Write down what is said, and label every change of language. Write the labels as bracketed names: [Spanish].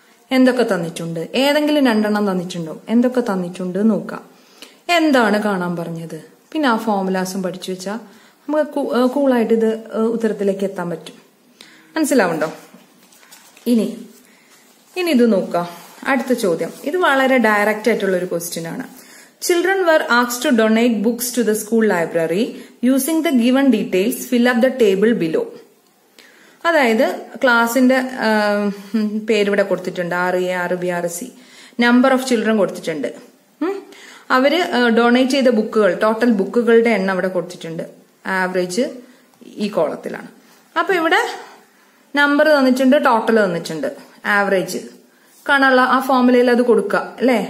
[Malayalam] എന്തൊക്കെ തന്നിട്ടുണ്ട്? ഏതെങ്കിലും രണ്ടെണ്ണം തന്നിട്ടുണ്ടോ? എന്തൊക്കെ തന്നിട്ടുണ്ട് നോക്കാം. എന്താണ് കാണാൻ പറഞ്ഞത്? പിന്നെ ആ ഫോർമുലാസും പഠിച്ചു വെച്ചാൽ നമുക്ക് കൂളായിട്ട് ഇത് ഉത്തരത്തിലേക്ക് എത്താൻ പറ്റും. മനസ്സിലാവുണ്ടോ? ഇനി ഇത് നോക്കാം. അടുത്ത ചോദ്യം, ഇത് വളരെ ഡയറക്റ്റ് ആയിട്ടുള്ള ഒരു ക്വസ്റ്റ്യൻ ആണ്. [English] Children were asked to donate books to the school library using the given details. Fill up the table below. [Malayalam] അതായത് ക്ലാസിന്റെ പേരിവിടെ കൊടുത്തിട്ടുണ്ട്, RA, RB, RSE. Number of children കൊടുത്തിട്ടുണ്ട്. അവര് ഡൊണേറ്റ് ചെയ്ത ബുക്കുകൾ, ടോട്ടൽ ബുക്കുകളുടെ എണ്ണം അവിടെ കൊടുത്തിട്ടുണ്ട്. ആവറേജ് ഈ കോളത്തിലാണ്. അപ്പൊ ഇവിടെ നമ്പർ തന്നിട്ടുണ്ട്, ടോട്ടൽ തന്നിട്ടുണ്ട്, ആവറേജ് കാണാനുള്ള ആ ഫോർമുലയിൽ അത് കൊടുക്കുക അല്ലെ.